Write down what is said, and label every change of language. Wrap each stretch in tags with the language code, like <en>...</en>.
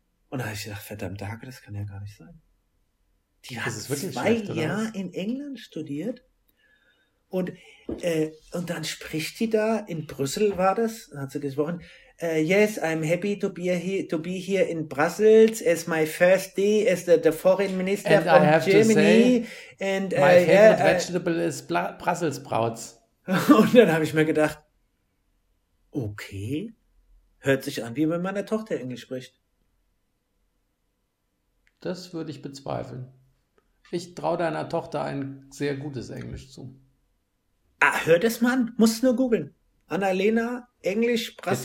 <de>Und da habe ich gedacht, verdammt, Hake, das kann ja gar nicht sein. Die hat zwei Jahre in England studiert und dann spricht die da, in Brüssel war das, hat sie gesprochen,</de> <en>yes, I'm happy to be here in Brussels as my first day as the foreign minister and from Germany. And I have Germany. To say, and, my favorite vegetable is Brussels Sprouts.</en> <de>Und dann habe ich mir gedacht, okay, hört sich an, wie wenn meine Tochter Englisch spricht. Das würde ich bezweifeln. Ich traue deiner Tochter ein sehr gutes Englisch zu. Ah, hör das mal an, musst nur googeln. Annalena, Englisch, Brassens.</de>